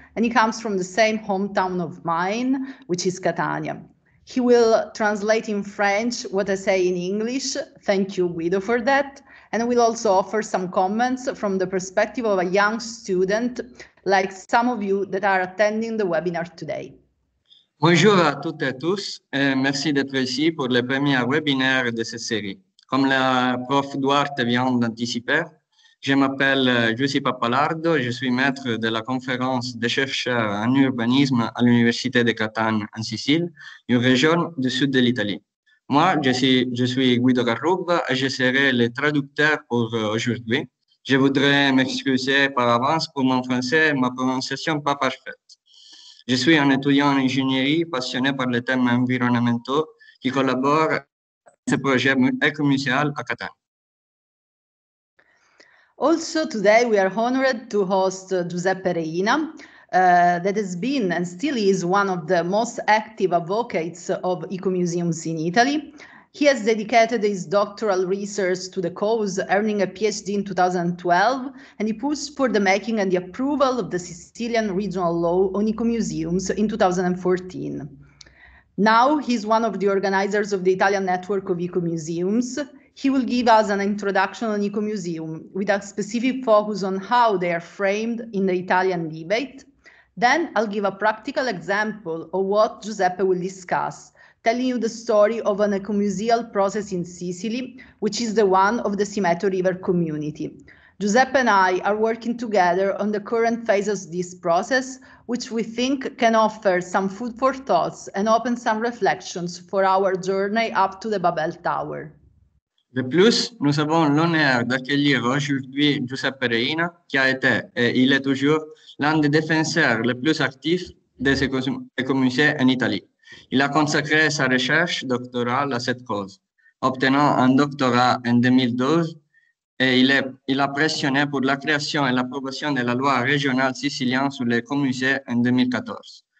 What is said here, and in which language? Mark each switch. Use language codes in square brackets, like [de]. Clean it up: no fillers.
[en] And he comes from the same hometown of mine, which is Catania. He will translate in French what I say in English. Thank you, Guido, for that. And I will also offer some comments from the perspective of a young student, like some of you that are attending the webinar today. [fr] Bonjour à toutes et à tous, et merci d'être ici pour le premier webinaire de cette série. Comme la prof Duarte vient d'anticiper, je m'appelle Giuse Pappalardo, je suis maître de la conférence des chercheurs en urbanisme à l'Université de Catane en Sicile, une région du sud de l'Italie. Moi, je suis Guido Carruba et je serai le traducteur pour aujourd'hui. Je voudrais m'excuser par avance pour mon français, ma prononciation pas parfaite. Je suis un étudiant en ingénierie passionné par les thèmes environnementaux qui collabore à ce projet écomuséal à Catane. [en] Also today we are honored to host Giuseppe Reina that has been and still is one of the most active advocates of ecomuseums in Italy. He has dedicated his doctoral research to the cause, earning a PhD in 2012, and he pushed for the making and the approval of the Sicilian regional law on ecomuseums in 2014. Now he's one of the organizers of the Italian network of ecomuseums. He will give us an introduction on ecomuseum with a specific focus on how they are framed in the Italian debate. Then I'll give a practical example of what Giuseppe will discuss, telling you the story of an ecomuseal process in Sicily, which is the one of the Simeto River community. Giuseppe and I are working together on the current phases of this process, which we think can offer some food for thoughts and open some reflections for our journey up to the Babel Tower. [fr] De plus, nous avons l'honneur d'accueillir aujourd'hui Giuseppe Reina, qui a été et il est toujours l'un des défenseurs les plus actifs des écomusées en Italie. Il a consacré sa recherche doctorale à cette cause, obtenant un doctorat en 2012 et il a pressionné pour la création et l'approbation de la loi régionale sicilienne sur les écomusées en 2014.